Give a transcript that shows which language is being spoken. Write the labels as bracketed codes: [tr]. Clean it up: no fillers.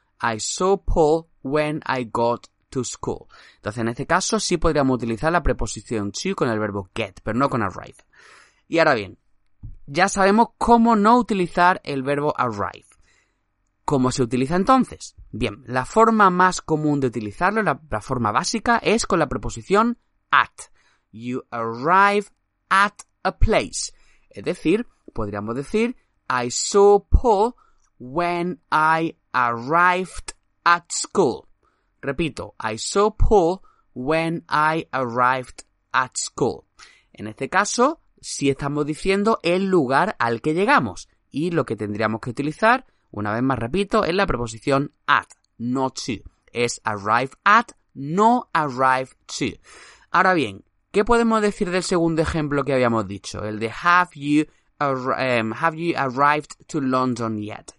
[en] I saw Paul when I got to school. [es] Entonces, en este caso, sí podríamos utilizar la preposición to con el verbo get, pero no con arrive. Y ahora bien, ya sabemos cómo no utilizar el verbo arrive. ¿Cómo se utiliza entonces? Bien, la forma más común de utilizarlo, la forma básica, es con la preposición at. [en] You arrive at a place. [es] Es decir, podríamos decir [en] I saw Paul when I arrived at school. [es] Repito, [en] I saw Paul when I arrived at school. [es] En este caso, si estamos diciendo el lugar al que llegamos. Y lo que tendríamos que utilizar, una vez más repito, es la preposición at, no to. Es arrive at, no arrive to. Ahora bien, ¿qué podemos decir del segundo ejemplo que habíamos dicho? El de [en] have you arrived to London yet?